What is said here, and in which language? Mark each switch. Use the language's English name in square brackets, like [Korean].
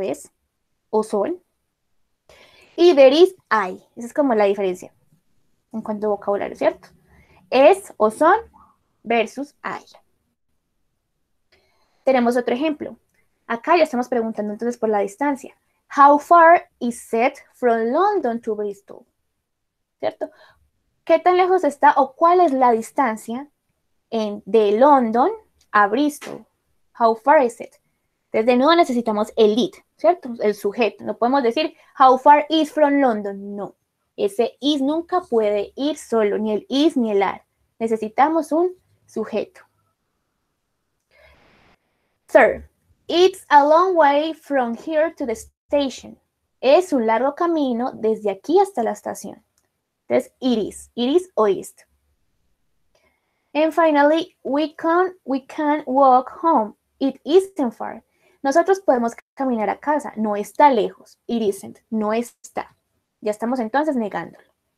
[Spanish] Es o son. Y there is, hay. Esa es como la diferencia en cuanto a vocabulario, ¿cierto? Es o son versus hay. Tenemos otro ejemplo. Acá ya estamos preguntando entonces por la distancia. [English] How far is it from London to Bristol? [Spanish] ¿Cierto? ¿Qué tan lejos está o cuál es la distancia de London a Bristol? [English] How far is it? [Spanish] Desde nuevo necesitamos el it, ¿cierto? El sujeto. No podemos decir [English] how far is from London. [Spanish] No. Ese is nunca puede ir solo, ni el is ni el are. Necesitamos un sujeto. [English] Third, it's a long way from here to the station. [Spanish] Es un largo camino desde aquí hasta la estación. [English] Entonces, it is o is. And finally, we can walk home. It isn't far. [Spanish] Nosotros podemos caminar a casa. No está lejos. [English] It isn't. [Spanish] No está. Ya estamos entonces negándolo.